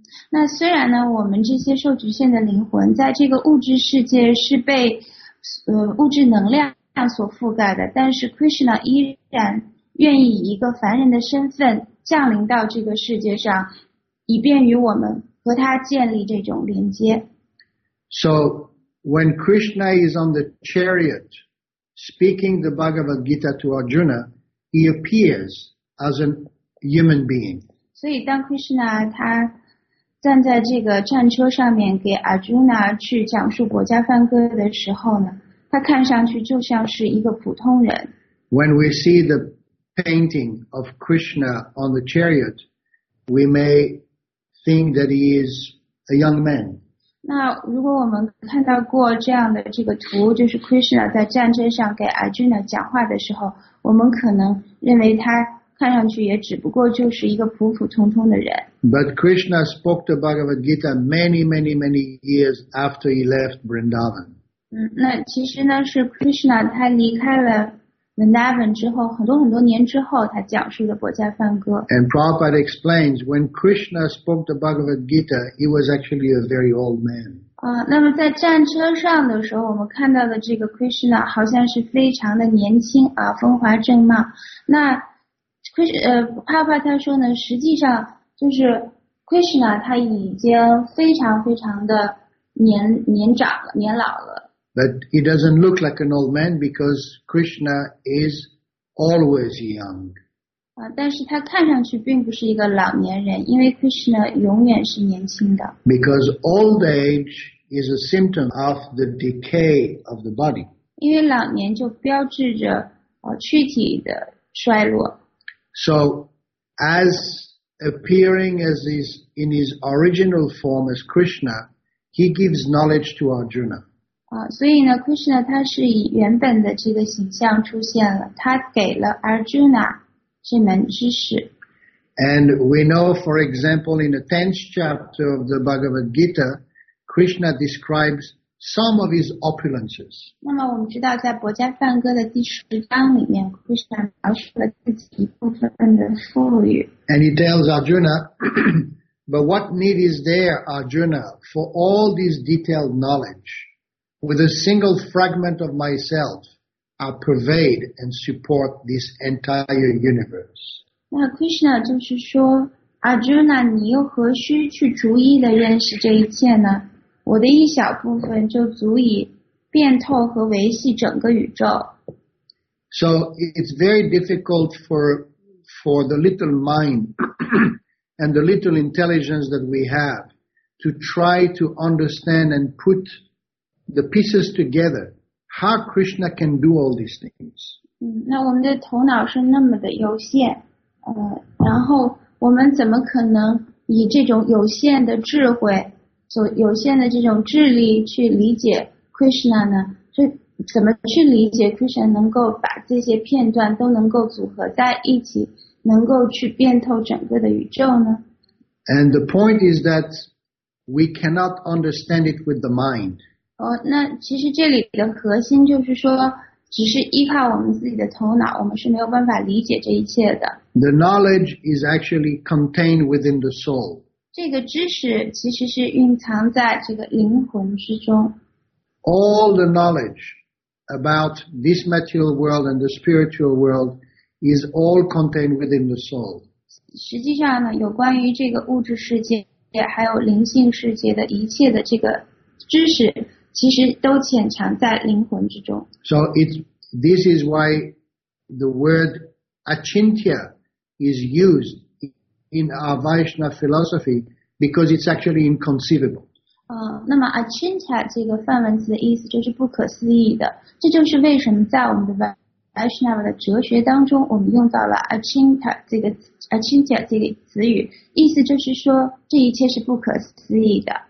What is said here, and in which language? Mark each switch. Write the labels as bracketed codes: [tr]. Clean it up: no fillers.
[zh] 那虽然呢，我们这些受局限的灵魂在这个物质世界是被物质能量所覆盖的，但是 Krishna 依然愿意以一个凡人的身份降临到这个世界上，以便于我们和他建立这种连接。 [en] So when Krishna is on the chariot speaking the Bhagavad Gita to Arjuna, he appears as a human being. [zh] 所以当 Krishna 他站在这个战车上面给 Arjuna 去讲述国家梵歌的时候呢，他看上去就像是一个普通人。 [en] When we see the painting of Krishna on the chariot, we may think that he is a young man. [zh] 那如果我们看到过这样的这个图，就是 Krishna 在战车上给 Arjuna 讲话的时候，我们可能认为他看上去也只不过就是一个普普通通的人。 [en] But Krishna spoke the Bhagavad Gita many, many, many years after he left Vrindavan. [zh] 那其实呢，是 Krishna 他离开了 Vrindavan 之后，很多很多年之后，他讲述的《薄伽梵歌》。 [en] And Prabhupada explains, when Krishna spoke the Bhagavad Gita, he was actually a very old man. [zh] 那么在战车上的时候，我们看到的这个 Krishna 好像是非常的年轻啊，风华正茂。那Prabhupada 他说呢，实际上就是 Krishna 他已经非常非常的年老了。 [en] But he doesn't look like an old man because Krishna is always young. [zh] 但是他看上去并不是一个老年人，因为 Krishna 永远是年轻的。 [en] Because old age is a symptom of the decay of the body. [zh] 因为老年就标志着躯体的衰落。 [en] So, as appearing as his, in his original form as Krishna, he gives knowledge to Arjuna. [zh] 所以呢 ，Krishna 他是以原本的这个形象出现了，他给了 Arjuna 这门知识。 [en] And we know, for example, in the 10th chapter of the Bhagavad Gita, Krishna describes some of his opulences. [zh] 那么我们知道在《薄伽梵歌》的第十章里面 ,Krishna 描述了自己一部分的富裕。 [en] And he tells Arjuna, but what need is there, Arjuna, for all this detailed knowledge? With a single fragment of myself, I pervade and support this entire universe. [zh] 那 Krishna 就是说 ,Arjuna, 你又何须去逐一地认识这一切呢？我的一小部分就足以遍透和维系整个宇宙。 [en] So it's very difficult for the little mind and the little intelligence that we have to try to understand and put the pieces together how Krishna can do all these things. [zh] 那我们的头脑是那么的有限，然后我们怎么可能以这种有限的智慧，所有限的这种智力去理解 Krishna 呢？就怎么去理解 Krishna 能够把这些片段都能够组合在一起，能够去遍透整个的宇宙呢？ [en] And the point is that we cannot understand it with the mind. [zh] 哦，那其实这里的核心就是说，只是依靠我们自己的头脑，我们是没有办法理解这一切的。 [en] The knowledge is actually contained within the soul. [zh] 这个知识其实是蕴藏在这个灵魂之中。 [en] All the knowledge about this material world and the spiritual world is all contained within the soul. [zh] 实际上呢，有关于这个物质世界还有灵性世界的一切的这个知识，其实都潜藏在灵魂之中。 [en] So this is why the word achintya is used in our Vaishnava philosophy because it's actually inconceivable. [zh] 那么 achintya 这个梵文字的意思就是不可思议的。这就是为什么在我们的 Vaishnava 的哲学当中，我们用到了 achintya 这个词语，意思就是说这一切是不可思议的。